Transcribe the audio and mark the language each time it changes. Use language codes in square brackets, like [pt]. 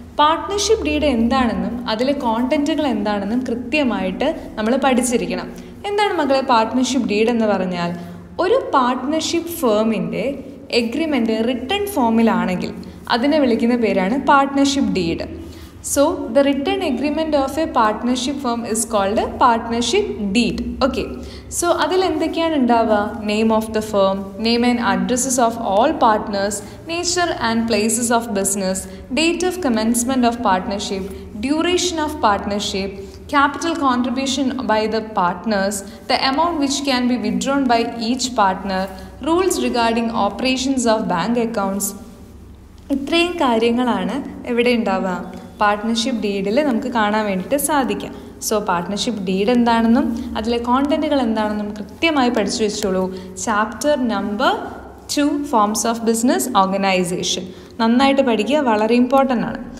[ml] Partnership deed എന്താണെന്നും അതിലെ കോണ്ടൻറ്റുകൾ എന്താണെന്നും കൃത്യമായിട്ട് നമ്മൾ പഠിച്ചിരിക്കണം. എന്താണ് മക്കളെ പാർട്ട്നർഷിപ്പ് ഡീഡ് എന്ന് പറഞ്ഞാൽ, ഒരു പാർട്ട്നർഷിപ്പ് ഫേമിൻ്റെ എഗ്രിമെൻറ്റ് റിട്ടേൺ ഫോമിലാണെങ്കിൽ അതിനെ വിളിക്കുന്ന പേരാണ് partnership deed. [en] So, the written agreement of a partnership firm is called a partnership deed. Okay. So, [ml] adil endekkiyaan undava? [en] Name of the firm, name and addresses of all partners, nature and places of business, date of commencement of partnership, duration of partnership, capital contribution by the partners, the amount which can be withdrawn by each partner, rules regarding operations of bank accounts. [ml] ഇത്രയും കാര്യങ്ങളാണ് എവിടെ ഉണ്ടാവുക? Partnership ഡീഡിൽ നമുക്ക് കാണാൻ വേണ്ടിയിട്ട് സാധിക്കാം. So partnership deed എന്താണെന്നും അതിലെ കോണ്ടൻറ്റുകൾ എന്താണെന്നും കൃത്യമായി പഠിച്ചു വെച്ചോളൂ. Chapter number 2, forms of business organisation, നന്നായിട്ട് പഠിക്കുക, വളരെ ഇമ്പോർട്ടൻ്റ് ആണ്.